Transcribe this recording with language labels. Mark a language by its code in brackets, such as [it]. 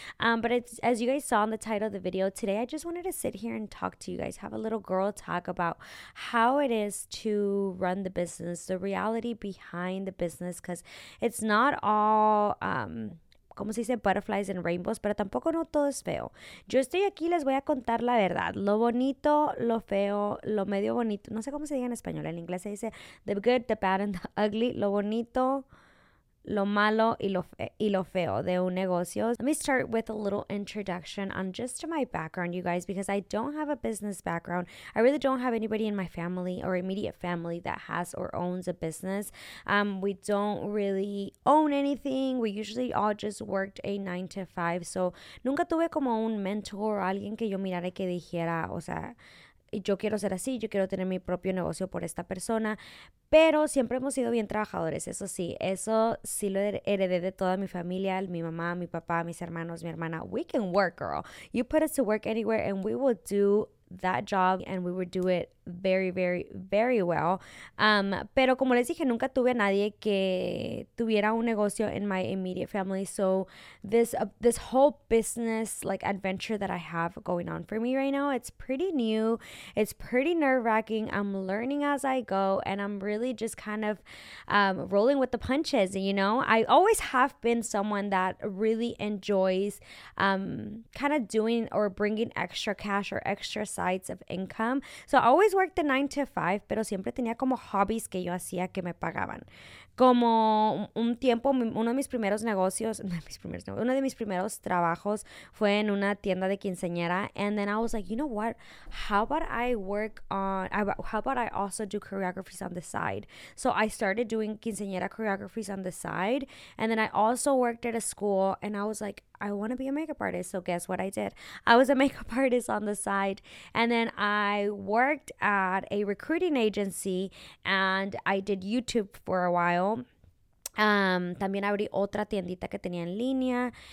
[en] But it's, as you guys saw in the title of the video today, I just wanted to sit here and talk to you guys, have a little girl talk about how it is to run the business, the reality behind the business, because it's not all [es] como se dice, [en] butterflies and rainbows, [es] pero tampoco no todo es feo. Yo estoy aquí, les voy a contar la verdad. Lo bonito, lo feo, lo medio bonito. No sé cómo se diga en español. En inglés se dice [en] the good, the bad, and the ugly. [es] Lo bonito, lo malo, y lo feo de un negocio. [en] Let me start with a little introduction on just to my background, you guys, because I don't have a business background. I really don't have anybody in my family or immediate family that has or owns a business. We don't really own anything. We usually all just worked a 9-to-5. [es] So nunca tuve como un mentor o alguien que yo mirara y que dijera, o sea, yo quiero ser así, yo quiero tener mi propio negocio por esta persona. Pero siempre hemos sido bien trabajadores, eso sí lo heredé de toda mi familia, mi mamá, mi papá, mis hermanos, mi hermana. [en] We can work, girl. You put us to work anywhere and we will do that job and we will do it very, very, very well. [es] Pero como les dije, nunca tuve a nadie que tuviera un negocio [en] in my immediate family. So this whole business like adventure that I have going on for me right now, it's pretty new. It's pretty nerve-wracking. I'm learning as I go and I'm really just kind of rolling with the punches, you know. I always have been someone that really enjoys kind of doing or bringing extra cash or extra sides of income. So I always worked the 9-to-5, [es] pero siempre tenía como hobbies que yo hacía que me pagaban. Como un tiempo, uno de mis primeros trabajos fue en una tienda de quinceañera. [en] And then I was like, you know what? How about I also do choreographies on the side? So I started doing quinceañera choreographies on the side. And then I also worked at a school and I was like, I want to be a makeup artist. So guess what I did? I was a makeup artist on the side. And then I worked at a recruiting agency and I did YouTube for a while. [es] También abrí otra tiendita que tenía en línea.